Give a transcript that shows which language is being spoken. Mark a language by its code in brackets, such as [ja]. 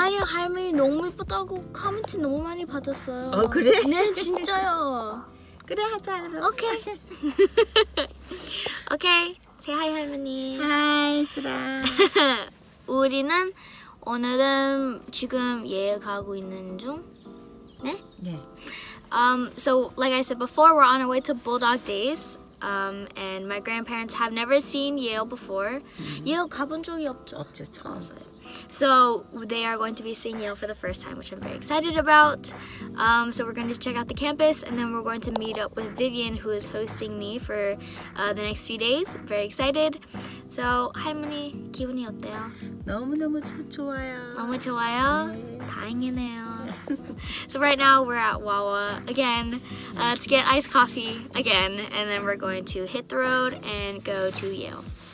[ko] 아니, 할머니 너무 예쁘다고 코멘트 너무 많이 받았어요. 어, 그래? 네, 진짜요. 그래, 하자. 오케이. [en] 오케이. Say hi, 할머니. Hi, 수라. [ko] 우리는 오늘은 지금 예에 가고 있는 중? 네? 네. [en] So like I said before, we're on our way to Bulldog Days, and my grandparents have never seen Yale before. [ko] Mm-hmm. Yale 가본 적이 없죠? 없죠, 처음. [en] So they are going to be seeing Yale for the first time, which I'm very excited about. So we're going to check out the campus, and then we're going to meet up with Vivian, who is hosting me for the next few days. Very excited. [ko] So, 할머니, 기분이 어때요? 너무너무 좋아요. 너무 좋아요? 네. 다행이네요. [en] So right now we're at Wawa again to get iced coffee again, and then we're going to hit the road and go to Yale.